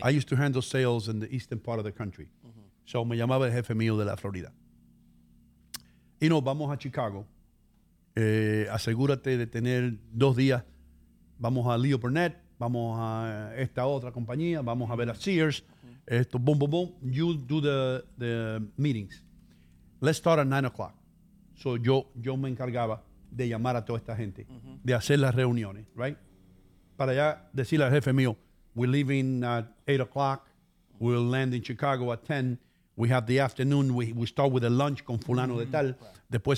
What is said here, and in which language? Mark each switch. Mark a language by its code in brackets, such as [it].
[en] I used to handle sales in the eastern part of the country. [es] Uh-huh. So me llamaba el jefe mío de la Florida. Y nos vamos a Chicago. Asegúrate de tener dos días. Vamos a Leo Burnett. Vamos a esta otra compañía. Vamos a ver a Sears. Uh-huh. [en] Esto, boom, boom, boom. You do the meetings. Let's start at 9 o'clock. [es] So yo me encargaba de llamar a toda esta gente, mm-hmm. de hacer las reuniones, [en] right? [es] Para ya decirle al jefe mío, [en] we're leaving at 8 o'clock, we'll land in Chicago at 10, we have the afternoon, we start with a lunch [es] con fulano [en] mm-hmm. [es] de tal, después